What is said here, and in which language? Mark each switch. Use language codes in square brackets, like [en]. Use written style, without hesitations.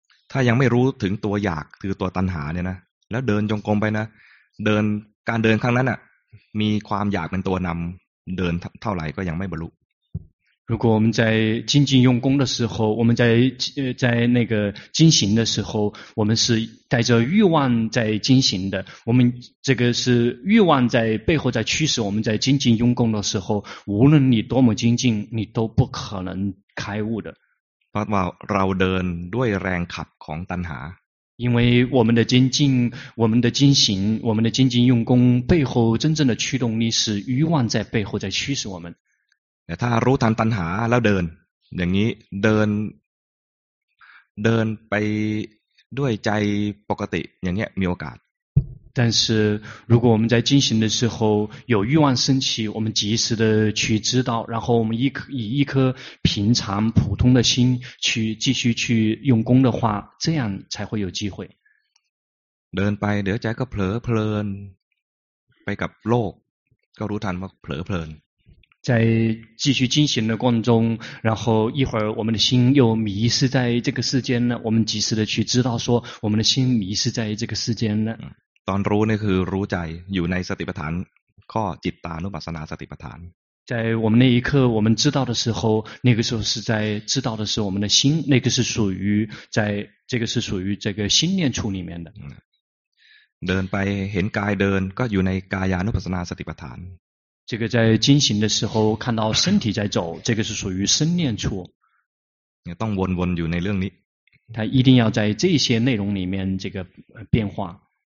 [th] ถ้ายังไม่รู้ถึงตัวอยากคือตัวตัณหาเนี่ยนะแล้วเดินจงกรมไปนะเดินการเดินครั้งนั้นอ่ะมีความอยากเป็นตัวนำเดินเท่าไหร่ก็ยังไม่บรรลุ [zh] 如果我们在精进用功的时候我们在那个精行的时候我们是带着欲望在精行的我们这个是欲望在背后在驱使我们在精进用功的时候无论你多么精进你都不可能开悟的 [th] เพราะว่าเราเดินด้วยแรงขับของตัณหา [zh] 因为我们的精进我们的精行我们的精进用功背后真正的驱动力是欲望在背后在驱使我们 [th] แต่ถ้ารู้ทันตัณหาแล้วเดินอย่างนี้เดินไปด้วยใจปกติอย่างเงี้ยมีโอกาส [zh] 但是如果我们在进行的时候有欲望升起我们及时的去知道然后我们以一颗平常普通的心去继续去用功的话这样才会有机会 [th] เดินไปเดี๋ยวใจก็เผลอเพลินไปกับโลกก็รู้ทันว่าเผลอเพลิน [zh] 在继续进行的过程中，然后一会儿我们的心又迷失在这个世间了，我们及时的去知道说我们的心迷失在这个世间了。 [th] ตอนรู้นี่คือรู้ใจอยู่ในสติปัฏฐานข้อจิตตานุปัสสนาสติปัฏฐาน [zh] 在我们那一刻我们知道的时候，那个时候是在知道的是我们的心，那个是属于在这个是属于这个心念处里面的。 [th] เดินไปเห็นกายเดินก็อยู่ในกายานุปัสสนาสติปัฏฐาน [zh] 这个在进行的时候看到身体在走，这个是属于身念处。 [th] ต้องวนอยู่ในเรื่องนี้ [zh] 他一定要在这些内容里面这个变化。